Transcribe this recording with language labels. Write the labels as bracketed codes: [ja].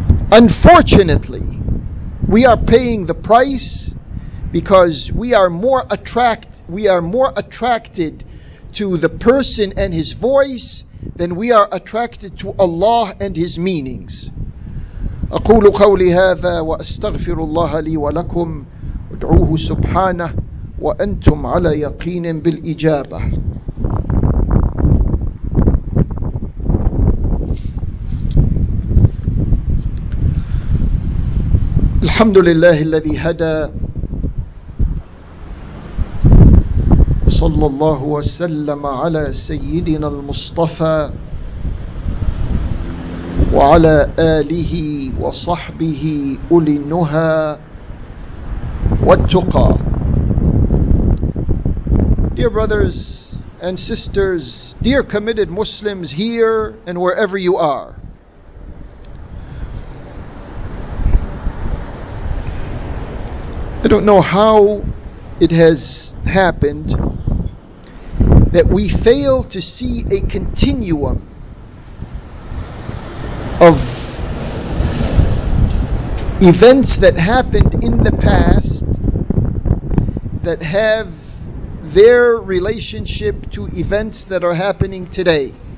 [en] Unfortunately, we are paying the price because we are more attracted to the person and his voice than we are attracted to Allah and his meanings. [ar] أقول قولي هذا وأستغفر الله لي ولكم وادعوه سبحانه وأنتم على يقين بالإجابة. الحمد لله الذي هدى صلى الله وسلم على سيدنا المصطفى وعلى آله وصحبه أولي النهى والتقى. [en] Dear brothers and sisters, dear committed Muslims here and wherever you are. I don't know how it has happened that we fail to see a continuum of events that happened in the past that have their relationship to events that are happening today.